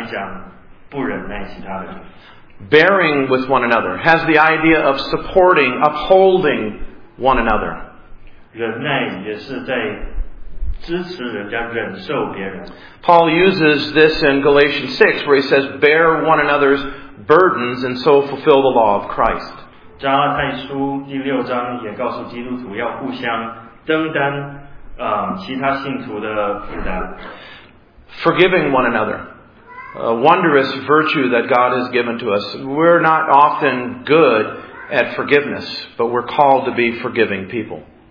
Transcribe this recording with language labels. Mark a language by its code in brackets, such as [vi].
[zh] 忍耐的心，我们一般来讲不忍耐其他人。 [en] Bearing with one another has the idea of supporting, upholding one another. [zh] 忍耐也是在支持人家忍受别人。 [en] Paul uses this in Galatians 6, where he says, "Bear one another's burdens, and so fulfill the law of Christ." [zh] 加拉太书第六章也告诉基督徒要互相担当其他信徒的负担。 [en] Forgiving one another, a wondrous virtue that God has given to us. We're not often good at forgiveness, but we're called to be forgiving people.